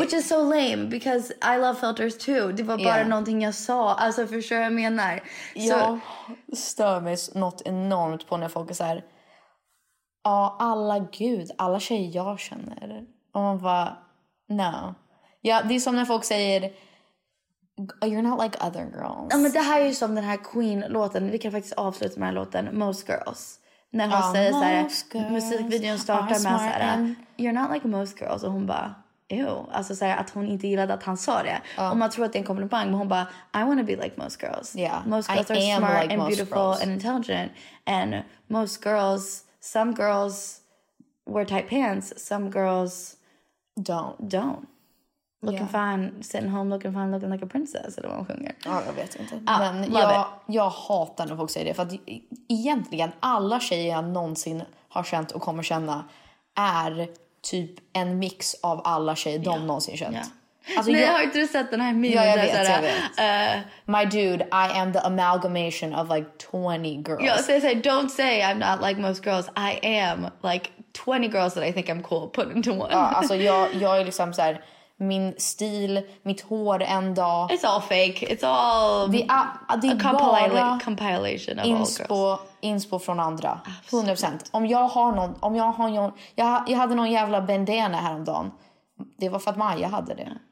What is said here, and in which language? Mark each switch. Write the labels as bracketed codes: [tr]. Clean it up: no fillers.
[en] Which is so lame because I love filters too. [sv] Det var bara någonting jag sa, alltså förstår jag menar. Jag stör mig något enormt på när folk är såhär, ja, alla tjejer jag känner. Och man bara, no. Ja, det är som när folk säger, [en] you're not like other girls. [sv] Ja, men det här är ju som den här Queen-låten. Vi kan faktiskt avsluta med den låten, Most Girls. När hon säger så här, musikvideon startar med så här, [en] you're not like most girls. [sv] Och hon bara, ew. Alltså så här, att hon inte gillade att han sa det. Och man tror att det är en komplimang, men hon bara, [en] I want to be like most girls. Yeah, most girls I are smart like and beautiful girls. And intelligent. And most girls, some girls wear tight pants, some girls don't. Looking fine, sitting home looking fine, looking like a princess. [sv] Eller vad hon sjunger. Ja, jag vet inte. Men jag hatar när folk säger det. För att egentligen alla tjejer jag någonsin har känt och kommer känna är typ en mix av alla tjejer de någonsin känt. Alltså, men jag har inte sett den här meme. Ja, jag vet. [en] My dude, I am the amalgamation of like 20 girls. [sv] Ja, så jag säger, [en] don't say I'm not like most girls. I am like 20 girls that I think I'm cool put into one. [sv] Ja, alltså jag är liksom så här. Min stil, mitt hår en dag. [en] It's all fake. It's all [sv] det är [en] compilation of inspo, all girls. [sv] Inspo från andra. 100%. Om jag har någon... Jag hade någon jävla bandana häromdagen. Det var för att Maja hade det.